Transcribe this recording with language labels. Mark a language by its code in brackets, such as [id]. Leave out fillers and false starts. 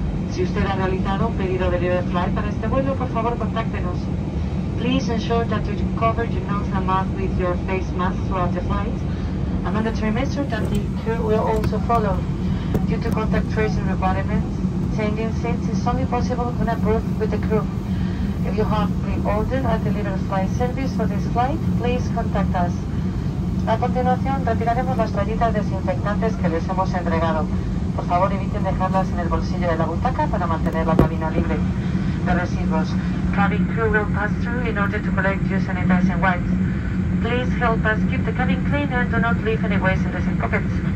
[es] Si usted ha realizado un pedido de Lead Flight para este vuelo, por favor contáctenos. [en] Please ensure that you cover your nose and mouth with your face mask throughout the flight. A mandatory measure that the crew will also follow. Due to contact tracing requirements, changing seats is only possible when approved with the crew. If you have pre-ordered a delivery flight service for this flight, please contact us. [es] A continuación, retiraremos las toallitas desinfectantes que les hemos entregado. Por favor, eviten dejarlas en el bolsillo de la butaca para mantener la cabina libre de residuos. [en] Cabin crew will pass through in order to collect your sanitizing wipes. Please help us keep the cabin clean and do not leave any waste in the sink pockets.